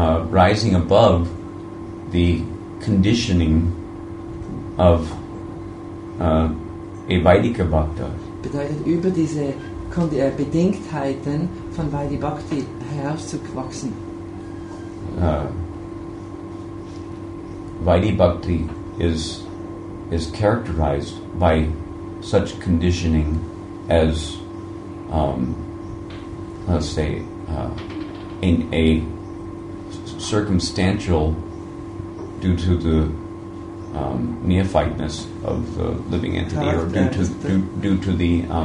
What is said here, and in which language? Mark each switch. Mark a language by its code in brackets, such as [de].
[en] rising above the conditioning of a Vaidika Bhakta. [de] Bedeutet, über diese Bedingtheiten von Vaidhi Bhakti herauszuwachsen. [en] Vaidhi Bhakti is characterized by such conditioning as, let's say, in a circumstantial due to the neophyteness of the living entity, or due to the